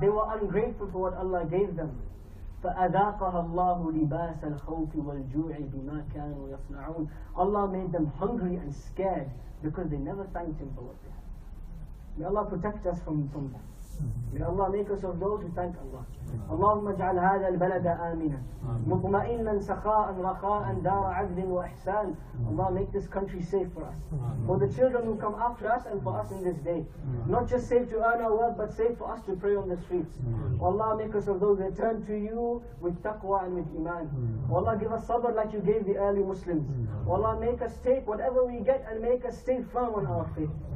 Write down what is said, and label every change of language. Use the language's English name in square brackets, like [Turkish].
[English] They were ungrateful for what Allah gave them. [Arabic] فَأَذَاقَهَا اللَّهُ لِبَاسَ الْخَوْفِ وَالْجُوعِ بِمَا كَانُوا يَصْنَعُونَ. [English] Allah made them hungry and scared because they never thanked Him for what they had. May Allah protect us from that. May Allah make us of those who thank Allah. [Arabic] اللهم اجعل هذا البلد آمنا مطمئنا سخاء رخاء دار عدل وإحسان. [English] Allah make this country safe for us. For the children who come after us and for us in this day. Not just safe to earn our wealth, but safe for us to pray on the streets. Allah make us of those that turn to you with taqwa and with iman. Allah give us sabr like you gave the early Muslims. Allah make us take whatever we get and make us stay firm on our faith.